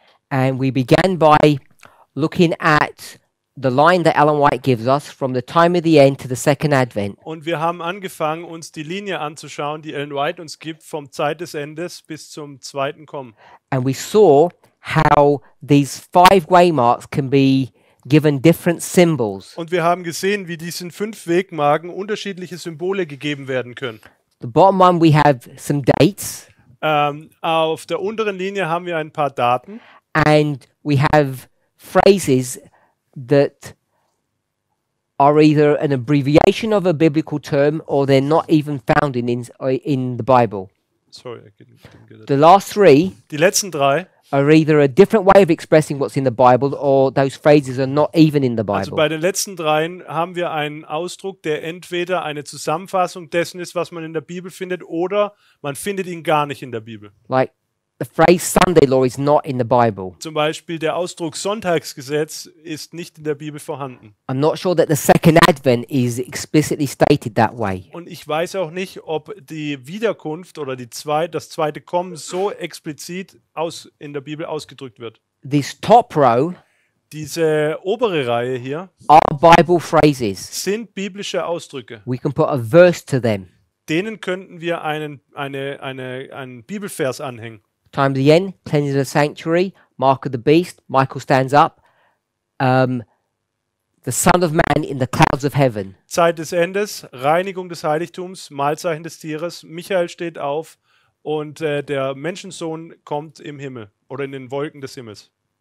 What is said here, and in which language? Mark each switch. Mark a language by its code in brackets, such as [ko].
[en] And we began by looking at the line that Ellen White gives us from the time of the end to the second advent. [de] Und wir haben angefangen, uns die Linie anzuschauen, die Ellen White uns gibt vom Zeit des Endes bis zum zweiten Kommen. [en] And we saw how these five waymarks can be given different symbols. [de] Und wir haben gesehen, wie diesen fünf Wegmarken unterschiedliche Symbole gegeben werden können. [en] The bottom one, we have some dates. [de] Auf der unteren Linie haben wir ein paar Daten. [en] And we have phrases that are either an abbreviation of a biblical term or they're not even found in the Bible. Sorry, I couldn't get it. The last three. [de] Die letzten drei. [en] Are either a different way of expressing what's in the Bible or those phrases are not even in the Bible. [de] Also bei den letzten dreien haben wir einen Ausdruck, der entweder eine Zusammenfassung dessen ist, was man in der Bibel findet, oder man findet ihn gar nicht in der Bibel. [en] Like the phrase Sunday law is not in the Bible. [de] Zum Beispiel der Ausdruck Sonntagsgesetz ist nicht in der Bibel vorhanden. [en] I'm not sure that the second advent is explicitly stated that way. [de] Und ich weiß auch nicht, ob die Wiederkunft oder das zweite Kommen so explizit in der Bibel ausgedrückt wird. [en] This top row, [de] diese obere Reihe hier, [en] are Bible phrases. [de] Sind biblische Ausdrücke. [en] We can put a verse to them. [de] Denen könnten wir einen Bibelvers anhängen. [en] Time of the end, cleansing of the sanctuary, mark of the beast, Michael stands up, the Son of Man in the clouds of heaven. [de] Zeit des Endes, Reinigung des Heiligtums, Mahlzeichen des Tieres, Michael steht auf und der Menschensohn kommt im Himmel oder in den Wolken des Himmels.